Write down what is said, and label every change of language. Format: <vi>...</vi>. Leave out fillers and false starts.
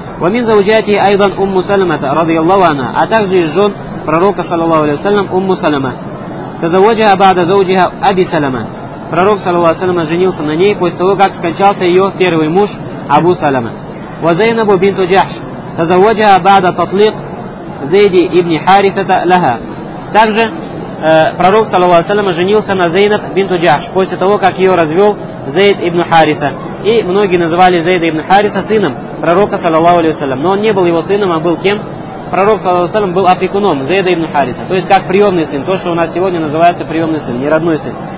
<ar>Ва мин заужати айдан умму саламата, радиаллаху анха,</ar> <ru>а также из жен пророка, саллаллаху алейхи ва саллям, умму салама.</ru> <ar>Тазаваджаха баъда заужиха аби салама.</ar> <ru>Пророк, саллаллаху алейхи ва саллям, женился на ней после того, как скончался ее первый муж Абу Салама.</ru> <ar>Ва Зайнабу бинту Джахш. تزوجها بعد تطليق زيد ابن حارثة لها.</ar> <ru>Также пророк саллаллаху алейхи ва саллям женился на Зейнаб бинт Джахш после того, как ее развел Зейд ибн Хариса. И многие называли Зейда ибн Хариса сыном пророка саллаллаху алейхи ва саллям. Но он не был его сыном, а был кем? Пророк саллаллаху алейхи ва саллям был опекуном Зейда ибн Хариса. То есть как приемный сын, то, что у нас сегодня называется приемный сын, не родной сын.</ru>